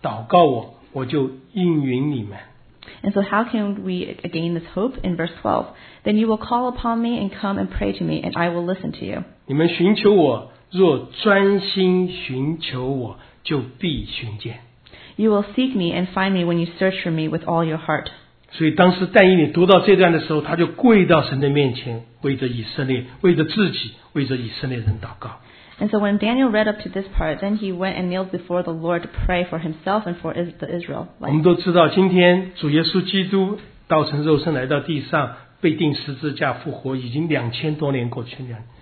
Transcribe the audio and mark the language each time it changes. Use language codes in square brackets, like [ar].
[zh] 我们怎么样得到这个盼望呢？第十二节，你们要呼求我，祷告我，我就应允你们。 [en] And so how can we gain this hope in verse 12? Then you will call upon me and come and pray to me, and I will listen to you. [zh] 你们寻求我。若专心寻求我, 就必寻见。 [en] You will seek me and find me when you search for me with all your heart. [zh] 所以当时但以理读到这段的时候, 他就跪到神的面前, 为着以色列, 为着自己, 为着以色列人祷告。 [en] And so when Daniel read up to this part, then he went and kneeled before the Lord to pray for himself and for the Israelites. [zh] 我们都知道今天主耶稣基督道成肉身来到地上, 被钉十字架复活, 已经两千多年过去了。